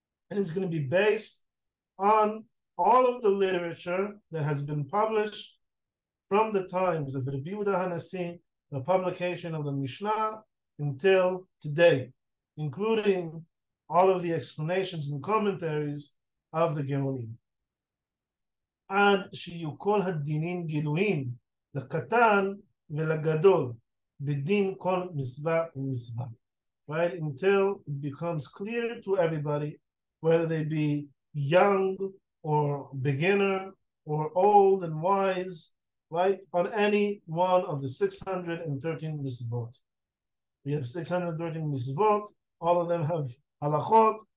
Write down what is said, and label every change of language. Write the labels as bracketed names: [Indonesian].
[English] And it's going to be based on all of the literature that has been published from the times of Rabbi Yehuda Hanasi, the publication of the Mishnah, until today, including all of the explanations and commentaries of the Geonim. [Hebrew] עד שיהיו כל הדינים גילויים לקטן ולגדול. Bidin kol misva misva, right? [English] Until it becomes clear to everybody, whether they be young or beginner or old and wise, right? On any one of the 613 misvot. We have 613 misvot. All of them have halachot.